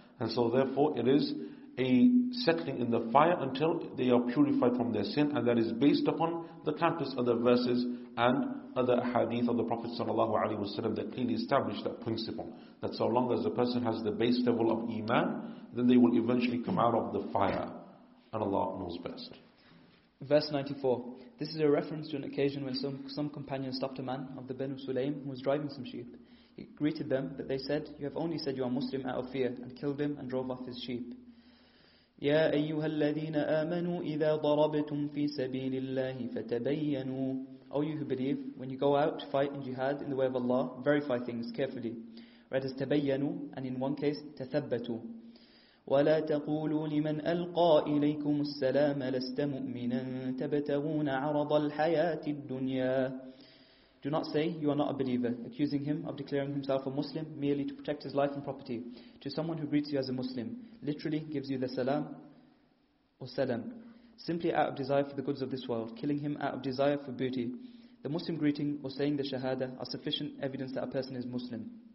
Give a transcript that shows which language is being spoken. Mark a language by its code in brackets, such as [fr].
[en] And so therefore it is a settling in the fire until they are purified from their sin, and that is based upon the countless other verses and other hadith of the Prophet sallallahu alaihi wasallam that clearly establish that principle, that so long as the person has the base level of iman, then they will eventually come out of the fire, and Allah knows best. Verse 94. This is a reference to an occasion when some companions stopped a man of the Banu Sulaym who was driving some sheep. He greeted them, but they said, "You have only said you are Muslim out of fear," and killed him and drove off his sheep. [ar] يا أيها الذين آمنوا إذا ضربتم في سبيل الله فتبينوا. [en] O you who believe, when you go out to fight in jihad in the way of Allah, verify things carefully. Read as تبينوا, and in one case تثبتوا. [ar] ولا تقولوا لمن ألقى إليكم السلام لست مؤمنا تبتغون عرض الحياة الدنيا. [en] Do not say you are not a believer, accusing him of declaring himself a Muslim merely to protect his life and property. To someone who greets you as a Muslim, literally gives you the salam or salam, simply out of desire for the goods of this world, killing him out of desire for booty. The Muslim greeting or saying the shahada are sufficient evidence that a person is Muslim.